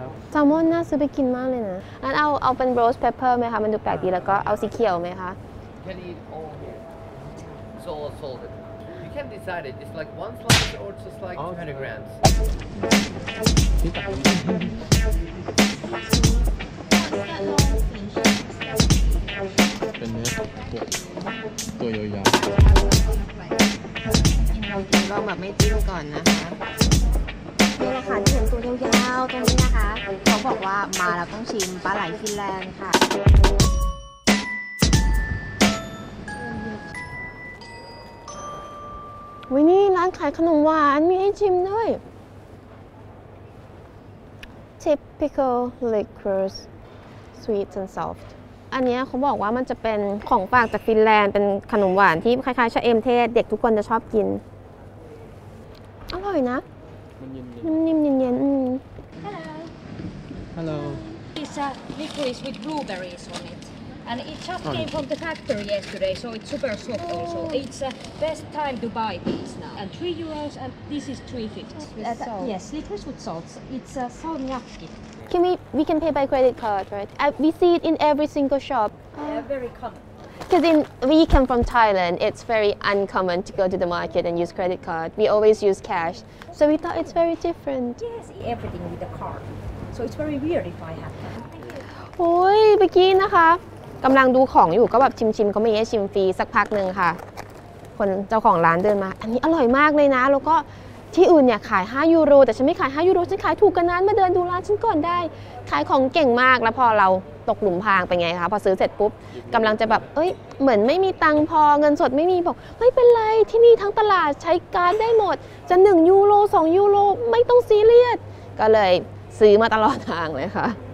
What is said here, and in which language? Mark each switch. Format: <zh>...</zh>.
<th>แซลมอนน่าซื้อไปกินมากเลยนะงั้นเอาเป็นโรสเพปเปอร์ไหมคะมันดูแปลกดีแล้วก็เอาสีเขียวไหมคะ</th> <en>Can eat all here. So all sold it. You can decide it. It's like one slice or just like 200 grams.</en> <th>เป็นเนื้อตัวยาวๆ เรา ลองแบบไม่จิ้มก่อนนะคะ นี่แหละค่ะที่เห็นตัวยาวๆตรงนี้นะคะ เขาบอกว่ามาแล้วต้องชิมปลาไหลฟินแลนด์ค่ะ วันนี้ร้านขายขนมหวานมีให้ชิมด้วย</th> <en>typical licorice sweet and soft</en> <th>อันนี้เขาบอกว่ามันจะเป็นของฝากจากฟินแลนด์เป็นขนมหวานที่คล้ายๆชะเอมเทศเด็กทุกคนจะชอบกินอร่อยนะ มันนิ่มๆเย็นๆ</th> <en>Hello Hello It's a licorice with blueberries on it and it just came from the factory yesterday so it's super soft also it's the best time to buy these now and 3 euros and this is 350 yes licorice with salt it's a salmiakki we can pay by credit card right we see it in every single shop very common because we come from Thailand it's very uncommon to go to the market and use credit card we always use cash so we thought it's very different yes everything with the card so it's very weird if I have</en> <th>to โอ้ยเมื่อกี้นะคะกําลังดูของอยู่ก็แบบชิมๆก็ไม่ให้ชิมฟรีสักพักนึงค่ะคนเจ้าของร้านเดินมาอันนี้อร่อยมากเลยนะแล้วก็ ที่อื่นเนี่ยขาย5ยูโรแต่ฉันไม่ขาย5ยูโรฉันขายถูกกว่านั้นมาเดินดูร้านฉันก่อนได้ขายของเก่งมากแล้วพอเราตกหลุมพรางไปไงคะพอซื้อเสร็จปุ๊บกำลังจะแบบเอ้ยเหมือนไม่มีตังค์พอเงินสดไม่มีบอกไม่เป็นไรที่นี่ทั้งตลาดใช้การ์ดได้หมดจะ1ยูโร2ยูโรไม่ต้องซีเรียสก็เลยซื้อมาตลอดทางเลยค่ะ</th>